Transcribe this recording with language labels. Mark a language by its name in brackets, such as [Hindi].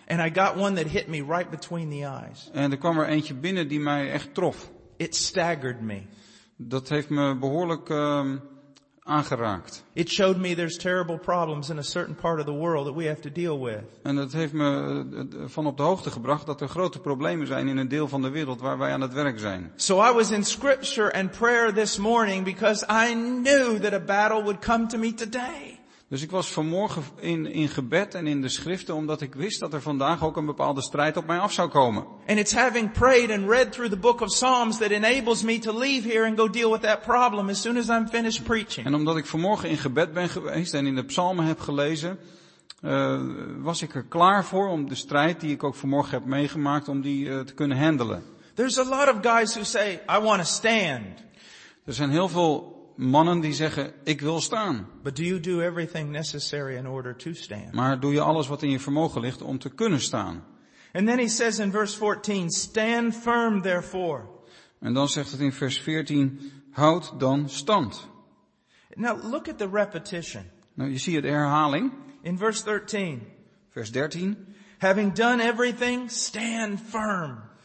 [English] And I got one that hit me right between the eyes. [Dutch] En er kwam er eentje binnen die mij echt trof. [English] It staggered me. [Dutch] Dat heeft me behoorlijk aangeraakt. [English] It showed me there's terrible problems in a certain part of the world that we have to deal with. [Dutch] En dat heeft me van op de hoogte gebracht dat er grote problemen zijn in een deel van de wereld waar wij aan het werk zijn. [English] So I was in scripture and prayer this morning because I knew that a battle would come to me today. [Dutch] Dus ik was vanmorgen in gebed en in de schriften omdat ik wist dat er vandaag ook een bepaalde strijd op mij af zou komen. [English] And it's having prayed and read through the book of Psalms that enables me to leave here and go deal with that problem as soon as I'm finished preaching. [Dutch] En omdat ik vanmorgen in gebed ben geweest en in de psalmen heb gelezen, was ik er klaar voor om de strijd die ik ook vanmorgen heb meegemaakt om die te kunnen handelen. [English] There's a lot of guys who say I want to stand. [Dutch] Er zijn heel veel mannen die zeggen, ik wil staan. [English] But do you do everything necessary in order to stand? [Dutch] Maar doe je alles wat in je vermogen ligt om te kunnen staan? [English] And then he says in verse 14, stand firm therefore. [Dutch] En dan zegt het in vers 14, houd dan stand. [English] Now look at the repetition. [Dutch] Nou, je ziet de herhaling. [English] In verse 13. [Dutch] Vers 13. [English] Having done everything, stand firm.